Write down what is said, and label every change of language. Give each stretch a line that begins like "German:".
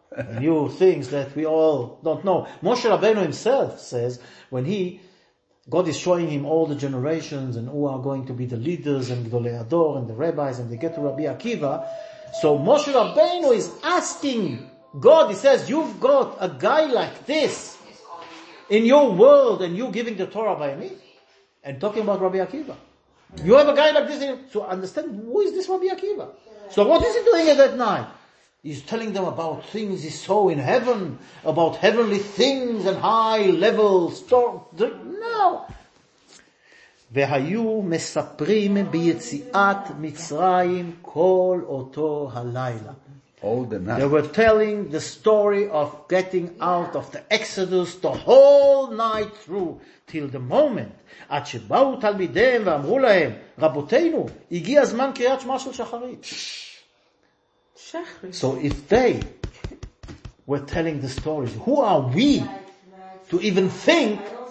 English: He knew things that we all don't know. Moshe Rabbeinu himself says, when God is showing him all the generations and who are going to be the leaders and Gdolei Ador and the rabbis, and they get to Rabbi Akiva, so Moshe Rabbeinu is asking God, he says, you've got a guy like this in your world and you giving the Torah by me? And talking about Rabbi Akiva. You have a guy like this in your, so understand, who is this Rabbi Akiva? So what is he doing at that night? He's telling them about things he saw in heaven, about heavenly things and high level store. No!
Hebrew: והיו מספרים ביציאת מצרים כל אותו הלילה.
English: They were telling the story of getting out of the Exodus the whole night through till the moment
Hebrew: עד שבאו תלמידיהם ואמרו להם רבותינו, הגיע זמן קריאת שמע של שחרית.
English: So if they were telling the stories, who are we to even think